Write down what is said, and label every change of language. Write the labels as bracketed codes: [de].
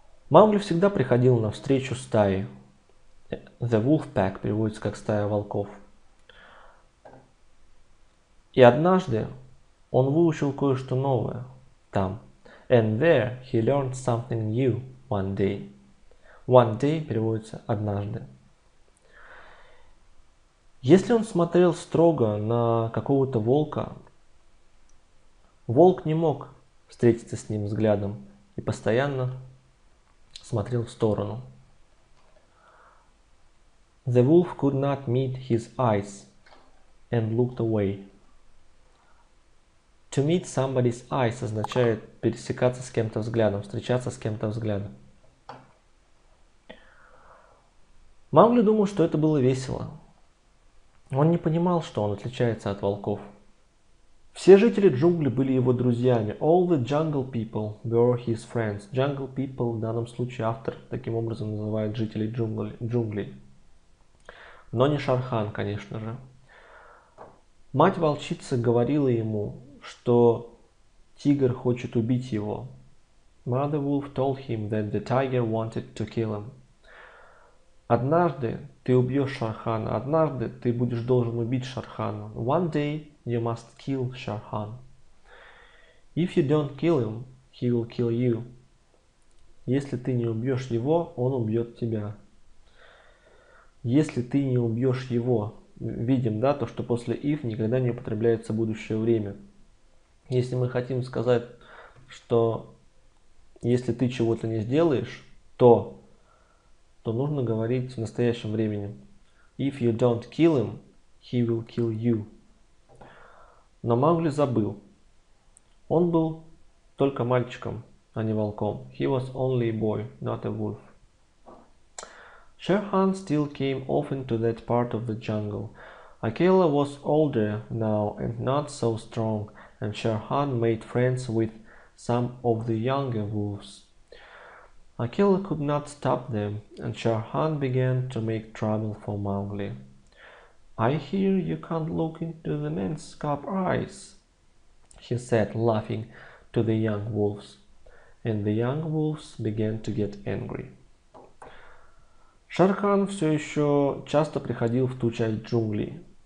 [ru] Маугли всегда приходил на встречу стаи. [en] The Wolf Pack [ru] переводится как «стая волков». И однажды он выучил кое-что новое там. [en] And there he learned something new one day. One day [ru] переводится «однажды». Если он смотрел строго на какого-то волка, волк не мог встретиться с ним взглядом и постоянно смотрел в сторону. [en] The wolf could not meet his eyes and looked away. To meet somebody's eyes [ru] означает пересекаться с кем-то взглядом, встречаться с кем-то взглядом. Маугли думал, что это было весело. Он не понимал, что он отличается от волков. Все жители джунглей были его друзьями. [en] All the jungle people were his friends. Jungle people [ru] в данном случае автор таким образом называет жителей джунглей. Но не Шер Хан, конечно же. Мать-волчица говорила ему, что тигр хочет убить его. [en] Mother Wolf told him that the tiger wanted to kill him. [ru] Однажды ты убьешь Шер Хана. Однажды ты будешь должен убить Шер Хана. [en] One day you must kill Shere Khan. If you don't kill him, he will kill you. [ru] Если ты не убьешь его, он убьет тебя. Если ты не убьешь его, видим, да, то, что после if никогда не употребляется будущее время. Если мы хотим сказать, что если ты чего-то не сделаешь, то нужно говорить в настоящем времени. [en] If you don't kill him, he will kill you. [ru] Но Маугли забыл. Он был только мальчиком, а не волком. [en] He was only a boy, not a wolf. Shere Khan still came often to that part of the jungle. Akela was older now and not so strong, and Shere Khan made friends with some of the younger wolves. Akela could not stop them, and Shere Khan began to make trouble for Maugli. I hear you can't look into the man's cub eyes, he said, laughing to the young wolves. And the young wolves began to get angry. [ru] Шер Хан все еще часто приходил в ту часть джунглей.